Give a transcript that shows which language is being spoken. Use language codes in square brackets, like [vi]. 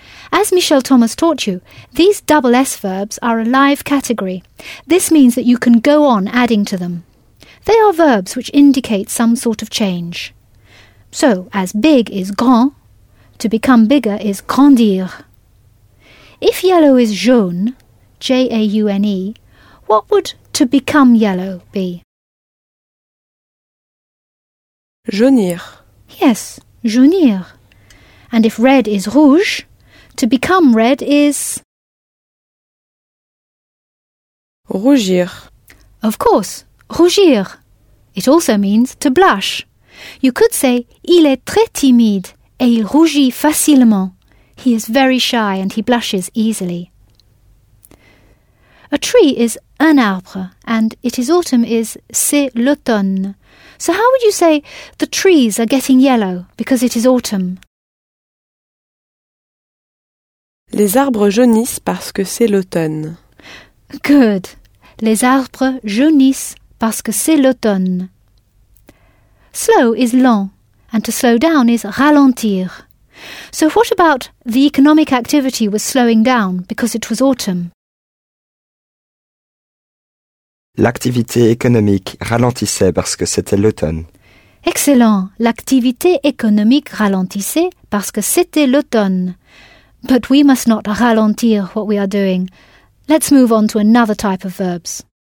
[en] As Michel Thomas taught you, these double S verbs are a live category. This means that you can go on adding to them. They are verbs which indicate some sort of change. So, as big is grand, to become bigger is grandir. If yellow is jaune, J-A-U-N-E, what would to become yellow be? [fr] Jaunir. Yes, jaunir. [en] And if red is rouge, to become red is... [fr] rougir. [en] Of course, rougir. It also means to blush. You could say, [fr] il est très timide et il rougit facilement. [en] He is very shy and he blushes easily. A tree is un arbre and it is autumn is c'est l'automne. So how would you say the trees are getting yellow because it is autumn? [fr] Les arbres jaunissent parce que c'est l'automne. [en] Good. [fr] Les arbres jaunissent parce que c'est l'automne. [en] Slow is lent, and to slow down is ralentir. So what about the economic activity was slowing down because it was autumn? [fr] L'activité économique ralentissait parce que c'était l'automne. [en] Excellent. [fr] L'activité économique ralentissait parce que c'était l'automne. [en] But we must not ralentir what we are doing. Let's move on to another type of verbs.